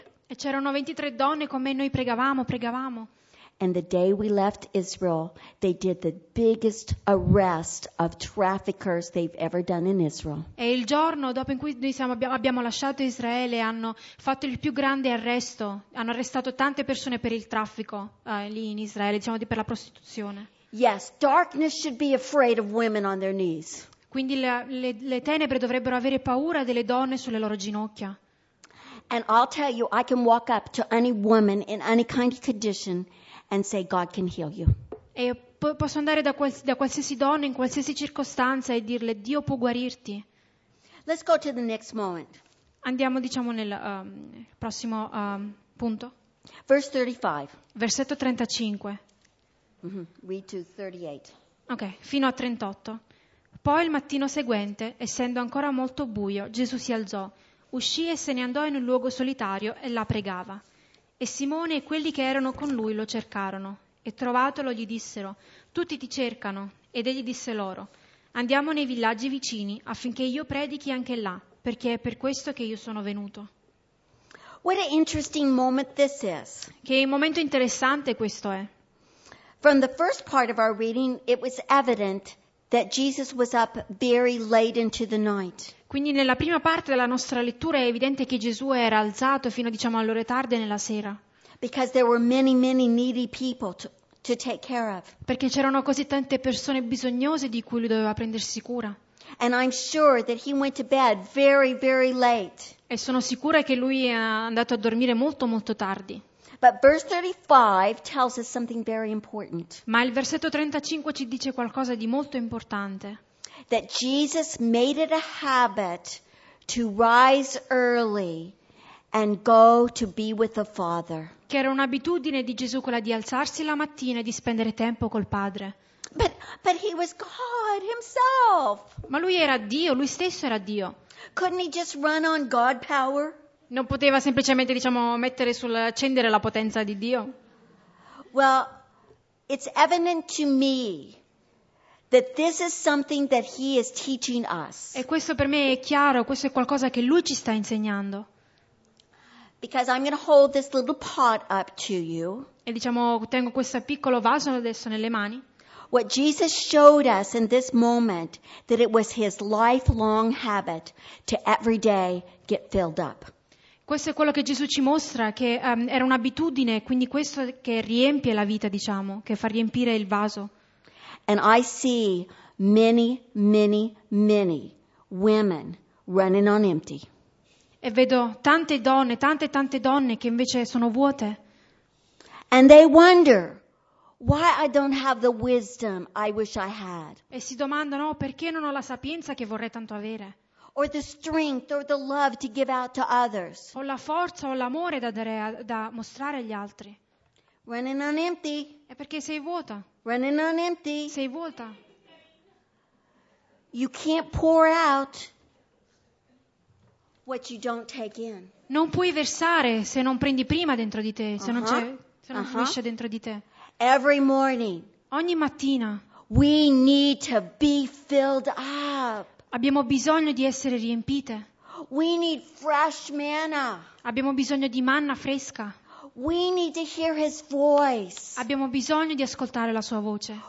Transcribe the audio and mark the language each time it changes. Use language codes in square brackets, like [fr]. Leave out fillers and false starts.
[it] E c'erano 23 donne con me, noi pregavamo. [en] And the day we left Israel, they did the biggest arrest of traffickers they've ever done in Israel. [it] E il giorno dopo in cui noi abbiamo lasciato Israele, hanno fatto il più grande arresto. Hanno arrestato tante persone per il traffico lì in Israele, diciamo, per la prostituzione. [en] Yes, darkness should be afraid of women on their knees. [it] Quindi le tenebre dovrebbero avere paura delle donne sulle loro ginocchia. [en] And I'll tell you, I can walk up to any woman in any kind of condition and say God can heal you. [it] E posso andare da qualsiasi donna in qualsiasi circostanza e dirle Dio può guarirti. [en] Let's go to the next moment. [it] Andiamo, diciamo, nel prossimo punto. [en] Verse 35. [it] Versetto 35. [en] Mm-hmm. Read to 38. [it] Ok, fino a 38. Poi il mattino seguente, essendo ancora molto buio, Gesù si alzò, uscì e se ne andò in un luogo solitario e la pregava. E Simone e quelli che erano con lui lo cercarono, e trovatolo gli dissero: tutti ti cercano. Ed egli disse loro: andiamo nei villaggi vicini, affinché io predichi anche là, perché è per questo che io sono venuto. [en] What an interesting moment this is. [it] Che momento interessante questo è. [en] From the first part of our reading, it was evident that Jesus was up very late into the night. [it] Quindi nella prima parte della nostra lettura è evidente che Gesù era alzato fino, diciamo, all'ore tarde nella sera. [en] Because there were many, many needy people to take care of. [it] Perché c'erano così tante persone bisognose di cui lui doveva prendersi cura. [en] And I'm sure that he went to bed very, very late. [it] E sono sicura che lui è andato a dormire molto, molto tardi. [en] But verse 35 tells us something very important. [it] Ma il versetto 35 ci dice qualcosa di molto importante. [en] That Jesus made it a habit to rise early and go to be with the Father. [it] Che era un'abitudine di Gesù quella di alzarsi la mattina e di spendere tempo col Padre. [en] But he was God himself. [it] Ma lui era Dio, lui stesso era Dio. [en] Couldn't he just run on God power? [it] Non poteva semplicemente, diciamo, mettere sul accendere la potenza di Dio? [en] Well, it's evident to me that this is something that he is teaching us. [it] E questo per me è chiaro, questo è qualcosa che lui ci sta insegnando. [en] Because I'm going to hold this little pot up to you. [it] E diciamo, tengo questo piccolo vaso adesso nelle mani. [en] What Jesus showed us in this moment that it was his lifelong habit to every day get filled up. [it] Questo è quello che Gesù ci mostra, che era un'abitudine, quindi questo che riempie la vita, diciamo, che fa riempire il vaso. [en] And I see many, many, many women running on empty. [it] E vedo tante donne, tante, tante donne che invece sono vuote. [en] And they wonder why I don't have the wisdom I wish I had. [it] E si domandano: oh, perché non ho la sapienza che vorrei tanto avere? [en] Or the strength or the love to give out to others. [it] O la forza o l'amore da dare da mostrare agli altri. [en] Running on empty. [it] È perché sei vuota. [en] Running on empty. [it] Sei vuota. [en] You can't pour out what you don't take in. [it] Non puoi versare se non prendi prima dentro di te, se non c'è, se non fluisce dentro di te. [en] Every morning. [it] Ogni mattina. [en] We need to be filled up. [it] Abbiamo bisogno di essere riempite. [en] We need fresh manna. [it] Abbiamo bisogno di manna fresca. [en] We need to hear his voice. [it] Abbiamo bisogno di ascoltare la sua voce.